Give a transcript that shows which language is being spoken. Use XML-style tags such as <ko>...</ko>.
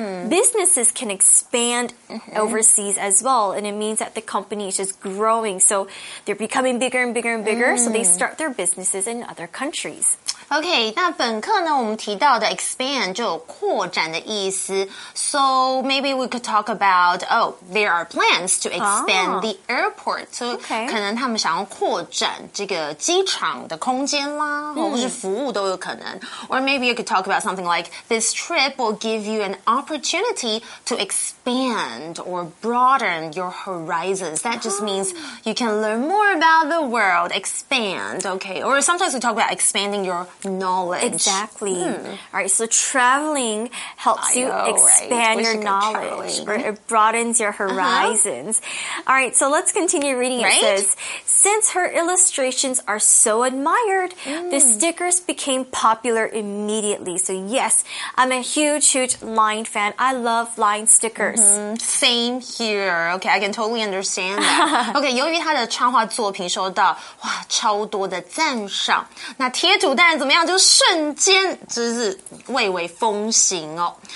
<en>Businesses can expand overseas as well, and it means that the company is just growing. So they're becoming bigger and bigger and bigger, so they start their businesses in other countries.</en> <zh>Okay, 那本课呢我们提到的 expand 就有扩展的意思。</zh> <en>So maybe we could talk about, oh, there are plans to expand the airport.</en> <zh>So 可能他们想要扩展这个机场的空间啦、或是服务都有可能。</zh> <en>Or maybe you could talk about something like, this trip will give you an opportunity to expand or broaden your horizons. That just means you can learn more about the world, expand, okay. Or sometimes we talk about expanding yourknowledge. Exactly. Alright, so traveling helps you expand your knowledge. It broadens your horizons. Alright, so let's continue reading. It says, since her illustrations are so admired, the stickers became popular immediately. So yes, I'm a huge, huge line fan. I love line stickers. Same here. Okay, I can totally understand that.</en> <zh>Okay, 由于她的插画作品受到哇超多的赞赏，那贴图当然怎么样就瞬间就是蔚为风行哦。</zh>